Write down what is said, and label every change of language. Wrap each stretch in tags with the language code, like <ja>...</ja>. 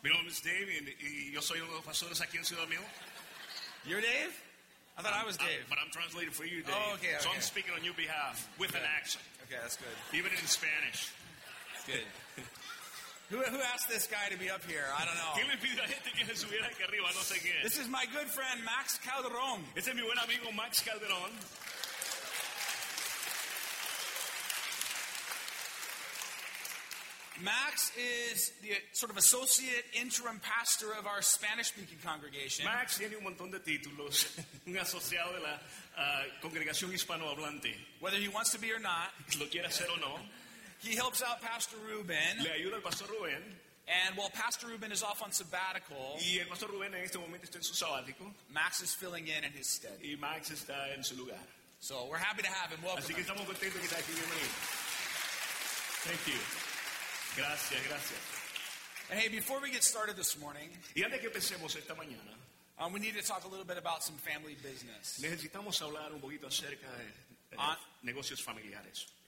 <es>Mi nombre es Dave, y yo soy uno de los pastores aquí en Cedar Mill.</es> <en>You're Dave? I thought I was Dave. But I'm translating for you, Dave. Oh, okay. So I'm speaking on your behalf with an accent. Okay, that's good. Even in Spanish. That's good. Who asked this guy to be up here? I don't know.</en> <es>¿Quién le pidió a gente que se subiera aquí arriba? No sé quién.</es> <en>This is my good friend, Max Calderón.</en> <es>Este es mi buen amigo, Max Calderón.</es> <en>Max is the sort of associate interim pastor of our Spanish-speaking congregation.</en> <es>Max tiene un montón de títulos, un asociado de la congregación hispanohablante.</es> <en>Whether he wants to be or not.</en> <es>Lo quiere hacer o no.</es> <en>He helps out Pastor Ruben.</en> <es>Le ayuda al Pastor Ruben.</es> <en>And while Pastor Ruben is off on sabbatical,</en> <es>y el Pastor Ruben en este momento está en su sabático,</es> <en>Max is filling in his stead.</en> <es>Y Max está en su lugar.</es> <en>So we're happy to have him. Welcome.</en> <es>Así que estamos contentos que está aquí. Bienvenido.</es> <en>Thank you.</en> <es>Gracias, gracias.</es> <en>And hey, before we get started this morning,</en> <es>y antes que empecemos esta mañana,</es> <en>we need to talk a little bit about some family business.</en> <es>Necesitamos hablar un poquito acerca de negocios familiares.</es>